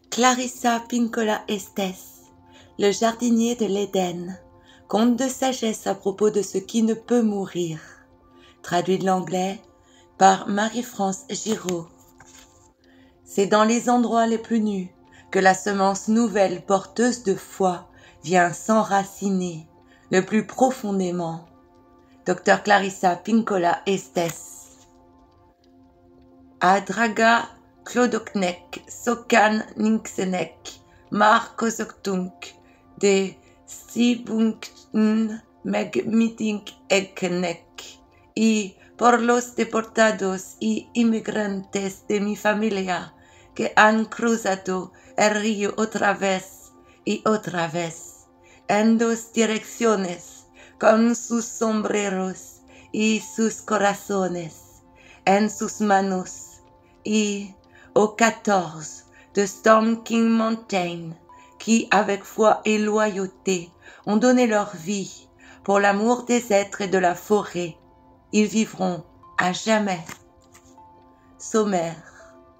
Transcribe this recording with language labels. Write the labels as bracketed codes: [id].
[fr] Clarissa Pinkola Estes, le jardinier de l'Éden, conte de sagesse à propos de ce qui ne peut mourir, traduit de l'anglais par Marie-France Giraud. C'est dans les endroits les plus nus que la semence nouvelle porteuse de foi vient s'enraciner le plus profondément. Docteur Clarissa Pinkola Estes. Adraga Clodoknek, Sokan Ninksenek, Markozoktunk, De Sibunkn Megmitink Eknek, [es] I por los deportados y inmigrantes de mi familia que han cruzado el río otra vez y otra vez, en dos direcciones, con sus sombreros y sus corazones, en sus manos. [fr] Y au 14 de Storm King Mountain, qui, avec foi et loyauté, ont donné leur vie pour l'amour des êtres et de la forêt. Ils vivront à jamais. Sommaire.